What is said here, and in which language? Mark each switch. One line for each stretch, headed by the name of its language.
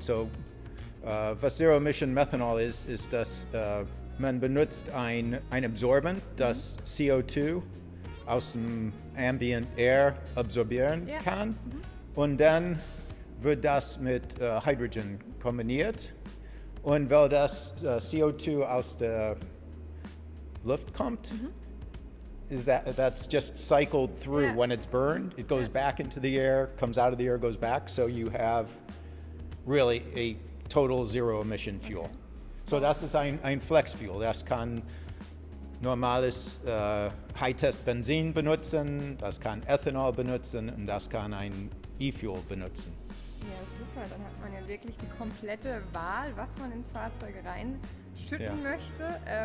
German: So, was zero emission Methanol ist, ist, dass man benutzt ein Absorbent, das CO2 aus dem Ambient Air absorbieren kann. Und dann wird das mit Hydrogen kombiniert. Und weil das CO2 aus der Luft kommt,
English: is that's just cycled through. Yeah. When it's burned, it goes back into the air, comes out of the air, goes back. So you have really a total zero emission fuel.
German: Okay. So das ist ein Flex Fuel. Das kann normales High-Test Benzin benutzen, das kann Ethanol benutzen und das kann ein E-Fuel benutzen. Ja, super. Dann hat man ja wirklich die komplette Wahl, was man ins Fahrzeug reinschütten möchte.